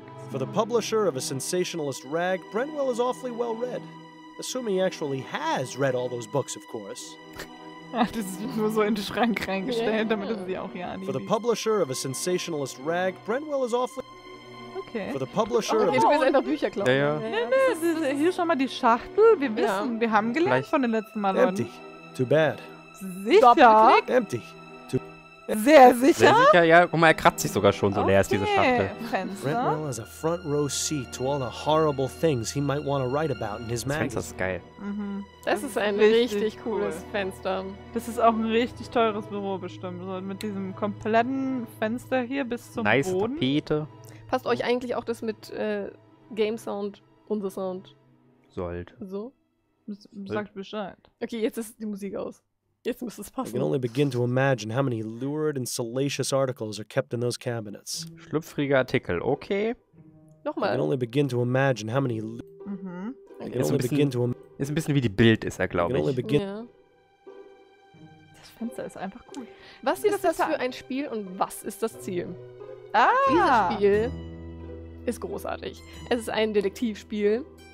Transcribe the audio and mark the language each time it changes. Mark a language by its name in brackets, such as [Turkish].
[English] For the publisher of a sensationalist rag, Brentwell is awfully well read. Assuming he actually has read all those books, of course. [German] Das ist nur so in den Schrank reingestellt, damit du sie auch hier anliegst. [English] For the publisher of a sensationalist rag, Brentwell is awfully. Okay. For the publisher. [German] Okay, du willst einfach Bücher klauen. Ja, ja. Nee, hier schon mal die Schachtel. Wir wissen, ja, wir haben gelernt von den letzten Malern. [English] Empty. Too bad. [German] Sicher? [English] Empty. [German] Sehr sicher? Sehr sicher, ja. Guck mal, er kratzt sich sogar schon, so leer ist diese Schachtel. [English] Brentwell has a front row seat to all the horrible things he might want to write about in his magazine. [German] Das Fenster ist geil. Das ist ein richtig cooles Fenster. Das ist auch ein richtig teures Büro bestimmt. So mit diesem kompletten Fenster hier bis zum Boden. Nice Tapete. Passt euch eigentlich auch das mit Game Sound, unser Sound? Sollte. So? Sagt Bescheid. Okay, jetzt ist die Musik aus. Jetzt muss es passen. [English] I can only begin to imagine how many lurid and salacious articles are kept in those cabinets. [German] Schlüpfrige Artikel, okay. Nochmal. [English] I can only begin to imagine how many. [German] Ist ein bisschen wie die Bild, ist er, glaube ich. Das Fenster ist einfach cool. Was ist das für ein Spiel und was ist das Ziel? Ah! Dieses Spiel ist großartig. Es ist ein Detektivspiel.